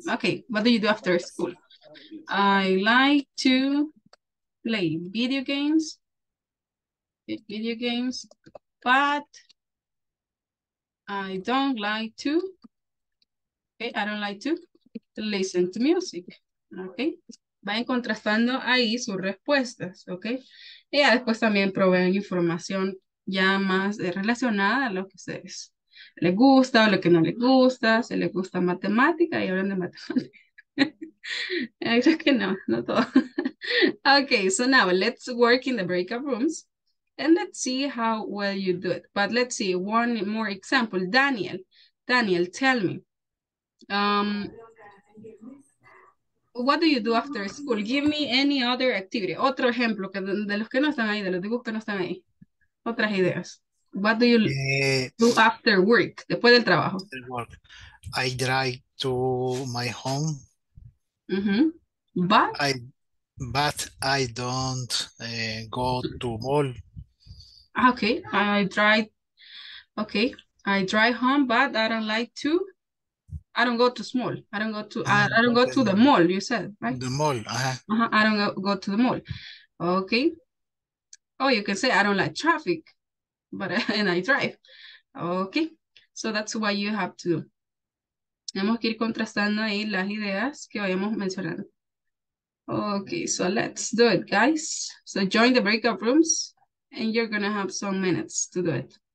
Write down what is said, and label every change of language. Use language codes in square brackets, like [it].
[en] Okay, what do you do after school? I like to play video games. Video games, but I don't like to. Okay, I don't like to listen to music. [es] Okay, vayan contrastando ahí sus respuestas. Okay, y ya después también proveen información ya más relacionada a lo que ustedes les gusta o lo que no les gusta. Si les gusta matemática, y hablan de matemática. [en] I think no, not all. Okay, so now let's work in the breakout rooms and let's see how well you do it. But let's see one more example. Daniel, Daniel, tell me. What do you do after school? Give me any other activity. [es] Otro ejemplo que de los que no están ahí, de los dibujos que no están ahí. Otras ideas. [en] What do you do after work? [es] Después del trabajo. [en] After work, I drive to my home. Mm-hmm. But I don't go to mall. Okay, I drive home, but I don't like to. I don't go to the mall. You said right. The mall. Uh-huh. I don't go to the mall. Okay. Oh, you can say I don't like traffic, but and I drive. Okay, so that's what you have to do. [es] Tenemos que ir contrastando ahí las ideas que vayamos mencionando. [en] Okay, so let's do it, guys. So join the breakout rooms and you're gonna have some minutes to do it.